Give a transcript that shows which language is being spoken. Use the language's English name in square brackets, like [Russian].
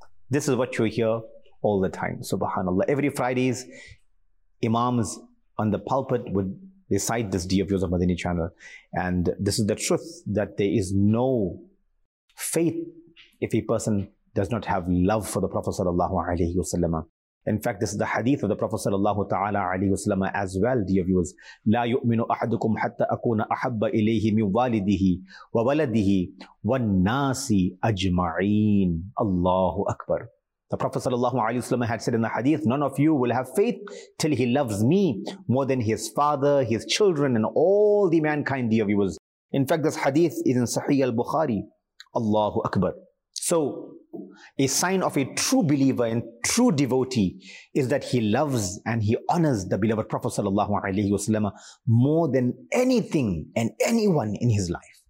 [English] This is what you hear all the time, subhanallah. Every Fridays, Imams on the pulpit would recite this, dear viewers of Madani Channel, and this is the truth, that there is no faith if a person does not have love for the Prophet Sallallahu Alaihi Wasallam. In fact, this is the hadith of the Prophet Sallallahu Ta'ala Alaihi Wasallam as well, dear viewers. [Arabic] لا يؤمن أحدكم حتى أكون أحب إليه من والده وولده والناس أجمعين. الله أكبر. [English] The Prophet Sallallahu Alaihi Wasallam had said in the hadith, none of you will have faith till he loves me more than his father, his children, and all the mankind, dear viewers. In fact, this hadith is in Sahih al-Bukhari. Allahu Akbar. So, a sign of a true believer and true devotee is that he loves and he honors the beloved Prophet Sallallahu Alaihi Wasallam more than anything and anyone in his life.